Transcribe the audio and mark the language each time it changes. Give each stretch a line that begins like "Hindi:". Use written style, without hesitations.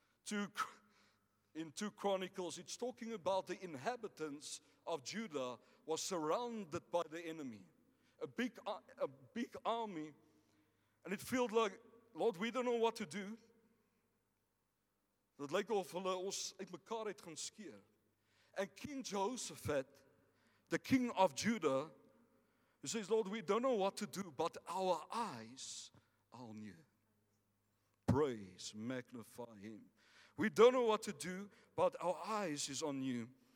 English: In 2 Chronicles, it's talking about the inhabitants of Judah was surrounded by the enemy. A big army. And it felt like, Lord, we don't know what to do.
Afrikaans: Dit lyk of hulle ons uit mekaar uit gaan skeer.
English: And King Jehoshaphat, the king of Judah, he says, Lord, we don't know what to do, but our eyes are on you. Praise, magnify him. We don't know what to do, but our eyes is on you.